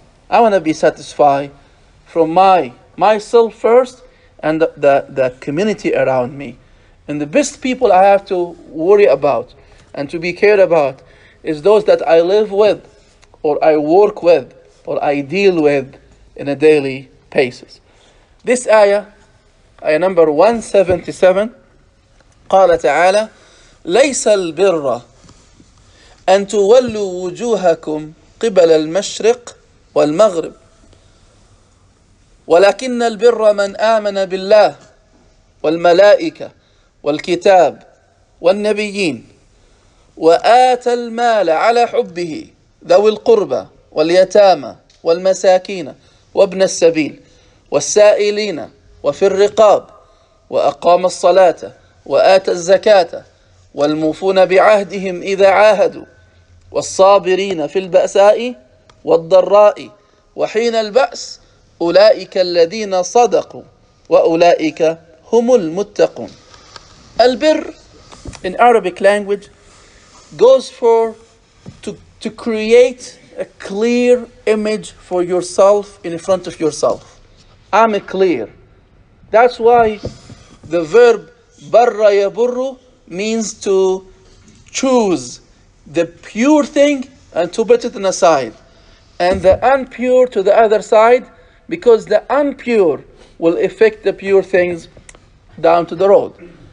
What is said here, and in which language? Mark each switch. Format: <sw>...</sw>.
<en>I want to be satisfied from myself first and the community around me. And the best people I have to worry about and to be cared about is those that I live with, or I work with, or I deal with in a daily basis. This ayah, ayah number 177,</en> <ar>قال تعالى ليس البر أن تولوا وجوهكم قبل المشرق والمغرب ولكن البر من آمن بالله والملائكة والكتاب والنبيين وآتى المال على حبه ذوي القربى واليتامى والمساكين وابن السبيل والسائلين وفي الرقاب وأقام الصلاة وآتى الزكاة والموفون بعهدهم إذا عاهدوا والصابرين في البأساء والضراء وحين البأس أولئك الذين صدقوا وأولئك هم المتقون.</ar> <en>Albir, in Arabic language, goes for to create a clear image for yourself in front of yourself. I'm clear. That's why the verb barra yaburru means to choose the pure thing and to put it on the side, and the impure to the other side, because the impure will affect the pure things down to the road.</en>